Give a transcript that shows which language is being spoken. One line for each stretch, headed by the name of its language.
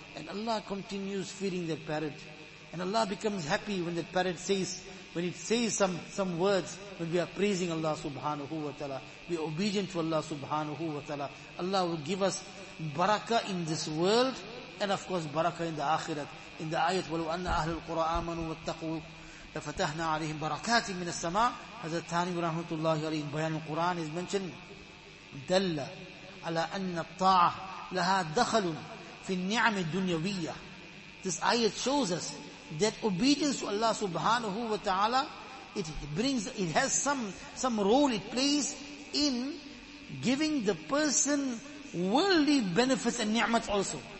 English: And Allah continues feeding that parrot. And Allah becomes happy when that parrot says, when it says some words, when we are praising Allah subhanahu wa ta'ala. We are obedient to Allah subhanahu wa ta'ala. Allah will give us barakah in this world, and of course barakah in the akhirat. In the ayat,
Arabic: وَلُوْ أَنَّ أَهْلُ الْقُرَىٰ آمَنُوا وَاتَّقُوا لَفَتَحْنَا عَلَيْهِمْ بَرَكَاتٍ مِّنَ السَّمَاءِ.
English: Hazrat Thani rahmatullahi alayhi in Bayan al-Quran is mentioned,
Arabic: دَلَّ عَلَى أَنَّ الطَّاعَةَ لَهَا دَخَلٌ فِي النِّعْمِ الدُّنْيَوِيَّةِ.
English: This ayat shows us that obedience to Allah subhanahu wa ta'ala, it has some role it plays in giving the person worldly benefits and ni'mat also.